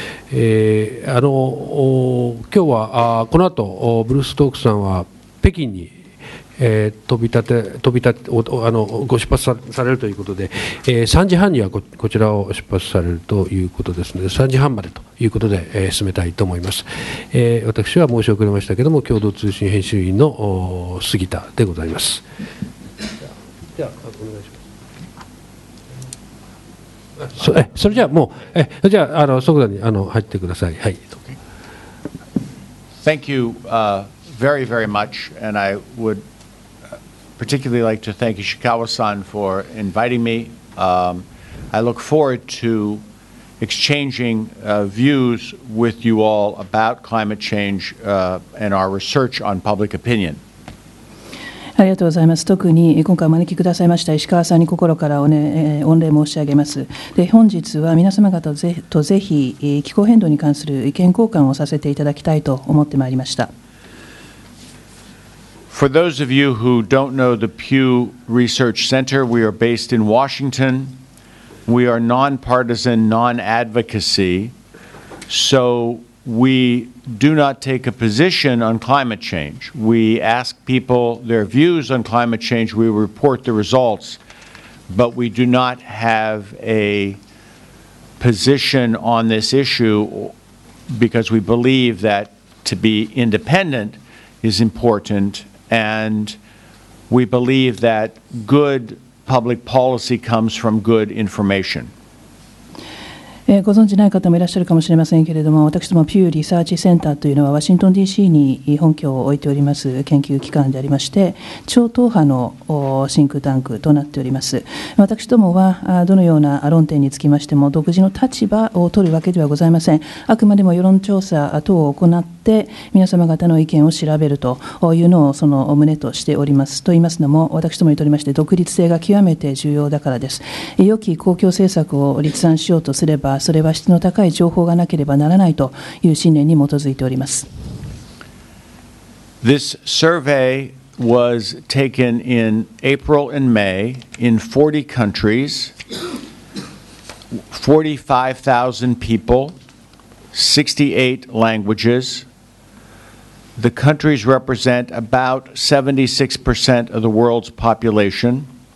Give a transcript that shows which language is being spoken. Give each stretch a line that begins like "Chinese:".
Japanese: 今日はこの後ブルース・ストークさんは北京に飛び立てご出発されるということで、3時半には こちらを出発されるということですので、3時半までということで、進めたいと思います。私は申し遅れましたけれども、共同通信編集員の杉田でございます。ではお願いします。それじゃあ即座に入ってください。はい、
English: Thank you very very much, and I wouldparticularly like to thank Ishikawa-san for inviting me. I look forward to exchanging views with you all about climate change and our research on public opinion.
Japanese: ありがとうございます。特に今回お招きくださいました石川さんに心から御礼申し上げます。で、本日は皆様方とぜひ気候変動に関する意見交換をさせていただきたいと思ってまいりました。
English: For those of you who don't know the Pew Research Center, we are based in Washington. We are nonpartisan, non-advocacy, so we do not take a position on climate change. We ask people their views on climate change, we report the results, but we do not have a position on this issue because we believe that to be independent is important. And we believe that good public policy comes from good information.
Japanese: ご存じない方もいらっしゃるかもしれませんけれども、私どもピューリサーチセンターというのはワシントン DC に本拠を置いております研究機関でありまして、超党派のシンクタンクとなっております。私どもはどのような論点につきましても独自の立場を取るわけではございません。あくまでも世論調査等を行って皆様方の意見を調べるというのをその旨としております。と言いますのも、私どもにとりまして独立性が極めて重要だからです。良き公共政策を立案しようとすれば、それは質の高い情報がなければならないという信念に基づいております。
English: This survey was taken in April and May in 40 countries, 45,000 people, 68 languages. The countries represent about 76% of the world's population.